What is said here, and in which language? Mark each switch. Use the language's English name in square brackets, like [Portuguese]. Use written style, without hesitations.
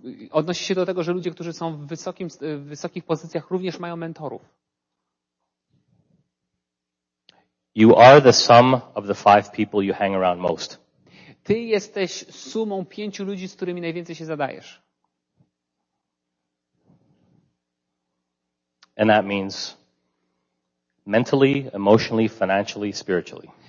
[Polish] Odnosi się do tego, że ludzie, którzy są w wysokich pozycjach, również mają mentorów. [English] You are the sum of the five people you hang around most. [Polish] Ty jesteś sumą pięciu ludzi, z którymi najwięcej się zadajesz. [English] And that means mentally, emotionally, financially, spiritually.